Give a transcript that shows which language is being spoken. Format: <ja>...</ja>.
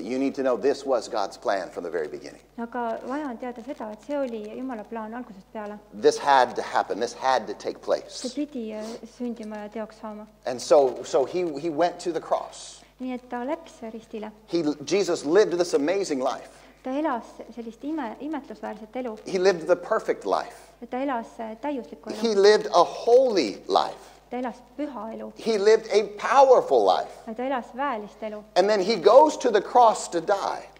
<en>But you need to know this was God's plan from the very beginning.</en> <et>Aga vaja on teada seda, et see oli Jumala plaan algusest peale.</et> <en>This had to happen. This had to take place.</en> <et>See pidi sündima ja teoks saama.</et> <en>And so he went to the cross.</en> <et>Nii et ta läks ristile.</et> <en>Jesus lived this amazing life.</en> <et>Ta elas sellist imetlusväärset elu.</et> <en>He lived the perfect life.</en> <et>Ta elas täiuslikku elu.</et> <en>He lived a holy life. He lived a powerful life. And then he goes to the cross to die.</en>